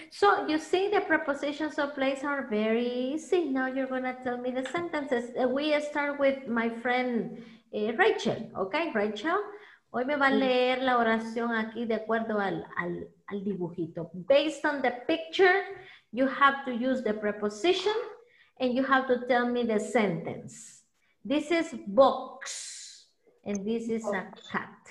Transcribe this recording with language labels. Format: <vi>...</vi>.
<en>So, you see the prepositions of place are very easy. Now you're going to tell me the sentences. We start with my friend Rachel. Okay, Rachel.</en> <es>Hoy me va a leer la oración aquí de acuerdo al dibujito.</es> <en>Based on the picture, you have to use the preposition and you have to tell me the sentence. This is box and this is a cat.</en>